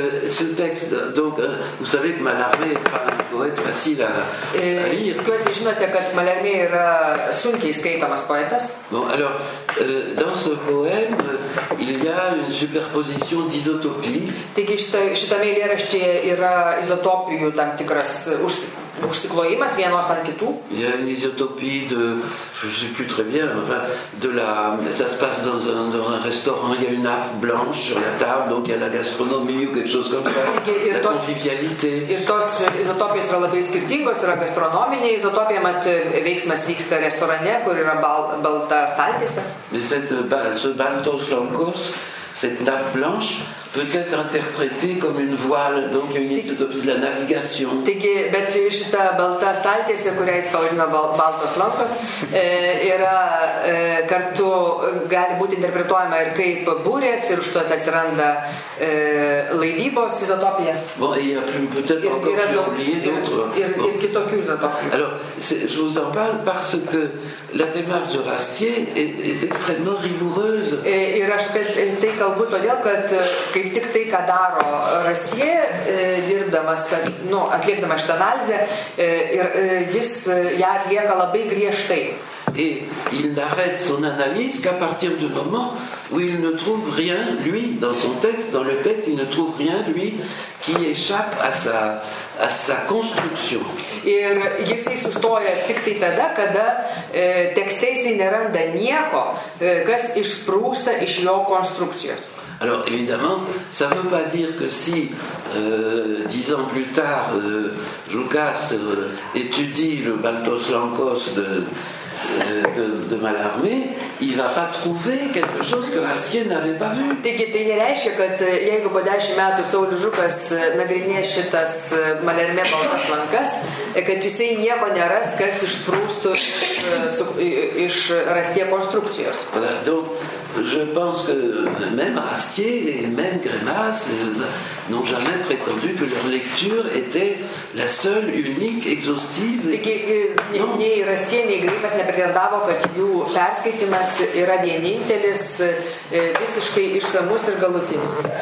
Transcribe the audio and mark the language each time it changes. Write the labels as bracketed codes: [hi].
[fr] Ce texte, donc, vous savez que Mallarmé est pas un poète facile à lire. [lt] Tikiuosi, žinote, kad Mallarmé yra sunkiai skaitamas poetas. [fr] Bon, alors, dans ce poème, il y a une superposition d'isotopie. [lt] Taigi, šitame eilėraštyje yra izotopijų tam tikras užsiklojimas vienos ant kitų. [fr] Il y a une isotopie de, je ne sais plus très bien, enfin, de la, ça se passe dans un restaurant, il y a une nappe blanche sur la table, donc il y a la gastronomie ou quelque chose comme ça, la convivialité. [lt] Ir tos izotopijos yra labai skirtingos, yra gastronominė izotopija, mat veiksmas vyksta restorane, kur yra balta staltėse. [fr] Mais ce baltos lankos, cette nappe blanche peut être interprétée comme une voile, donc il y a une isotopie de la navigation. [lt] Taigi, bet šita balta staltėse, kurią jis pavadino baltos lankos, yra kartu gali būti interpretuojama ir kaip burės, ir už to atsiranda laivybos izotopija. [fr] Bon, et il y a peut-être encore oublié d'autres. [lt] Ir kitokių izotopijų. [fr] Alors, je vous en parle parce que la démarche de Rastier est extrêmement rigoureuse. [lt] Ir aš tai kalbu todėl, kad kaip tik tai, ką daro Rastie, dirbdamas, nu, atliekdamas šitą analizę, ir jis ją atlieka labai griežtai. [fr] Et il n'arrête son analyse qu'à partir du moment où il ne trouve rien, lui, dans son texte, dans le texte, il ne trouve rien, lui, qui échappe à sa construction. [lt] Ir jisai sustoja tik tai tada, kada tekste jisai neranda nieko, kas išsprūsta iš jo konstrukcijos. [fr] Alors, évidemment, ça ne veut pas dire que si 10 ans plus tard, Joukas étudie le Baltos Lankos de Mallarmé, il va pas trouver quelque chose que Rastier n'avait pas vu. [lt] Taigi, tai nereiškia, kad jeigu po 10 metų Saulius Žukas nagrinės šitas Mallarmé baltas lankas, kad jisai nieko neras, kas išsprūstų iš Rastier konstrukcijos. [fr] Donc, je pense que même Rastier et même Grimace n'ont jamais prétendu que leur lecture était la seule, unique, exhaustive. [lt] Taigi, nei Rastier, nei Grimace nepretendavo, kad jų perskaitimas yra vienintelis, visiškai išsamus ir galutinis.